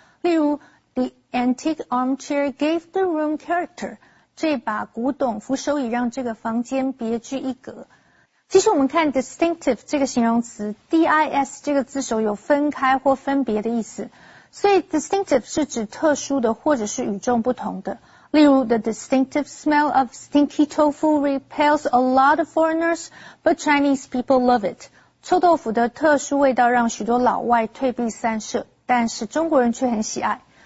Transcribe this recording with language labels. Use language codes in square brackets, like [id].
[zh] 例如, [en] The antique armchair gave the room character. [zh] 这把古董扶手椅让这个房间别具一格。其实我们看 distinctive 这个形容词, D-I-S 这个字首有分开或分别的意思。所以 distinctive 是指特殊的或者是与众不同的。例如, [en] the distinctive smell of stinky tofu repels a lot of foreigners, but Chinese people love it. [zh] 臭豆腐的特殊味道让许多老外退避三舍,但是中国人却很喜爱。